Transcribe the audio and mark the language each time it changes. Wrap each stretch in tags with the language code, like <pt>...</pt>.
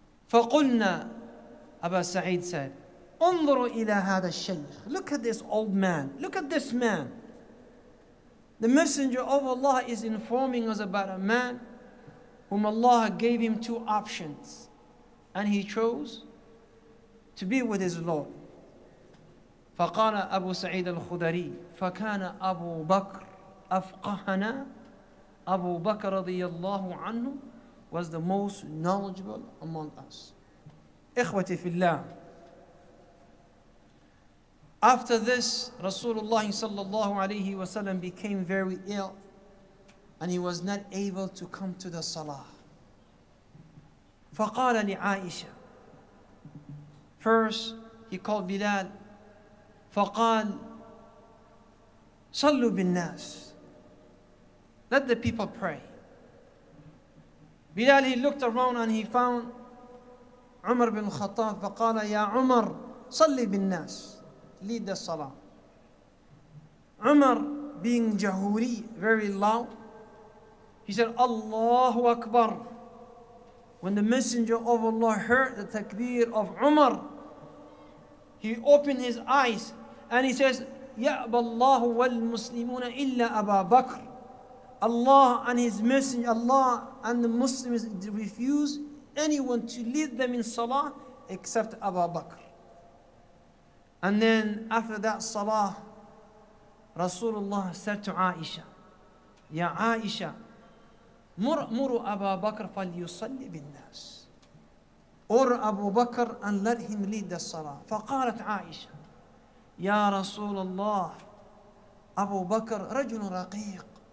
<ar>فَقُلْنَا,</ar> <en>Abu Sa'id said,</en> <ar>انظروا إلى هذا الشيخ,</ar> <en>look at this old man, look at this man. The Messenger of Allah is informing us about a man whom Allah gave him two options, and he chose to be with his Lord.</en> <ar>فَقَالَ أَبُو سَعِيدَ الْخُدَرِي فَكَانَ أَبُو بَكْرَ أَفْقَهَنَا, أَبُو بَكْرَ رَضِيَ اللَّهُ عَنْهُ</ar> <en>was the most knowledgeable among us.</en> <ar>إخوتي في الله,</ar> <en>after this, Rasulullah sallallahu alayhi wa sallam became very ill, and he was not able to come to the salah.</en> <ar>فَقَالَ لِعَائِشَ,</ar> <en>first, he called Bilal.</en> <ar>فَقَالَ صَلُّوا بِالنَّاسِ,</ar> <en>let the people pray. Bilal, he looked around and he found</en> <ar>عمر بن الخطاب فقال يا عمر صلي بالناس</ar> <en>lead the salah. عمر being جهوري very loud, he said Allahu Akbar. When the messenger of Allah heard the takbir of Umar, he opened his eyes and he says</en> <ar>يَأْبَ اللَّهُ وَالْمُسْلِمُونَ إِلَّا أَبَا بَكْرٍ.</ar> <en>Allah and his messenger, Allah and the Muslims refuse anyone to lead them in salah except Abu Bakr. And then after that salah, Rasulullah said to Aisha, Ya Aisha,</en> <ar>مُرْمُرُ أَبَا بَكْرٍ فَلْيُصَلِّ بِالنَّاسِ.</ar> <en>Order Abu Bakr and let him lead the salah.</en> <ar>فقالت Aisha, يا رسول الله أبو بكر رجل رقيق.</ar>